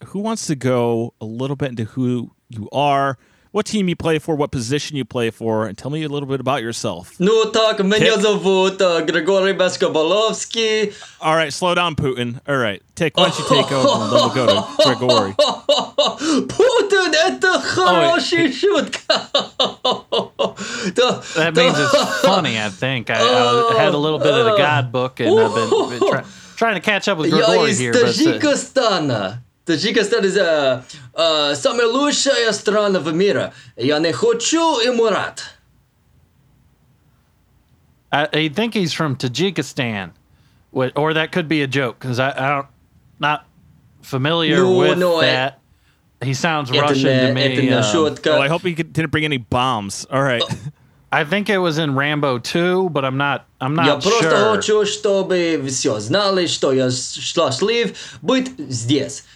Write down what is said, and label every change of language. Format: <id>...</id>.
<en>Who wants to go a little bit into who you are, what team you play for, what position you play for, and tell me a little bit about yourself.</en> <ru>Ну так, меня зовут Григорий Басковоловский.</ru> <en>All right, slow down, Putin. All right, Tick, why don't you take over, and then we'll go to Grigori.</en> <ru>Putin, это хорошая шутка.</ru> <en>That means it's funny, I think. I had a little bit of the God book, and I've been trying to catch up with Grigori here.</en> <ru>Я из Таджикистана. Таджикистан из самая лучшая страна в мире. Я не хочу умирать.</ru> <en>I think he's from Таджикистан, or that could be a joke because I'm not familiar with that. He sounds Russian to me. I hope he didn't bring any bombs. All right. I think it was in Rambo 2, but I'm not</en> <ru>я</ru> <en>sure.</en> <ru>Я просто хочу, чтобы все знали, что я счастлив быть здесь.</ru>